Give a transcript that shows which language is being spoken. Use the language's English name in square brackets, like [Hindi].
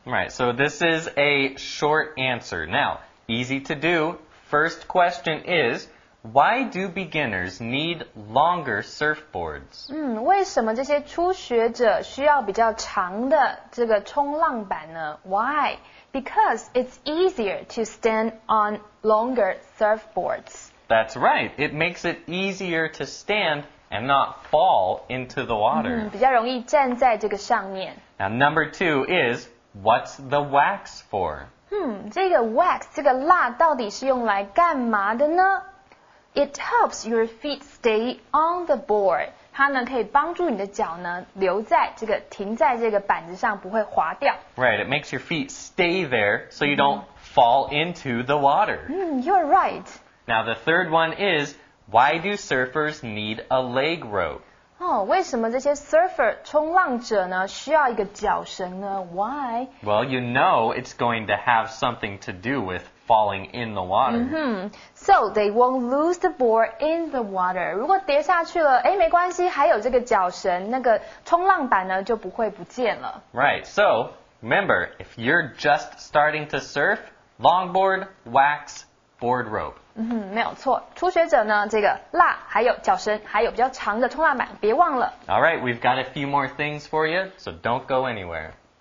[English] Right, so this is a short answer. Now, easy to do. First question is... Why do beginners need longer surfboards? [Chinese] 为什么这些初学者需要比较长的这个冲浪板呢? [English] Why? Because it's easier to stand on longer surfboards. That's right. It makes it easier to stand and not fall into the water. [Chinese] 比较容易站在这个上面。 [English] Now, number two is, what's the wax for? [Chinese] 这个 wax, 这个蜡到底是用来干嘛的呢? [English] It helps your feet stay on the board. [Chinese] 它呢可以帮助你的脚呢留在这个停在这个板子上不会滑掉。 [English] Right, it makes your feet stay there so you don't fall into the water. You're right. Now the third one is, why do surfers need a leg rope? [Chinese] 为什么这些 surfer 冲浪者呢需要一个脚绳呢? Why? [English] Well, you know it's going to have something to do withfalling in the water. So they won't lose the board in the water. [Chinese] 如果跌下去了，没关系，还有这个脚绳，那个冲浪板呢就不会不见了。 [English] Right. So remember, if you're just starting to surf, longboard, wax, board rope. [Chinese] 没有错。初学者呢，这个蜡还有脚绳，还有比较长的冲浪板，别忘了。 [English] All right, we've got a few more things for you, so don't go anywhere.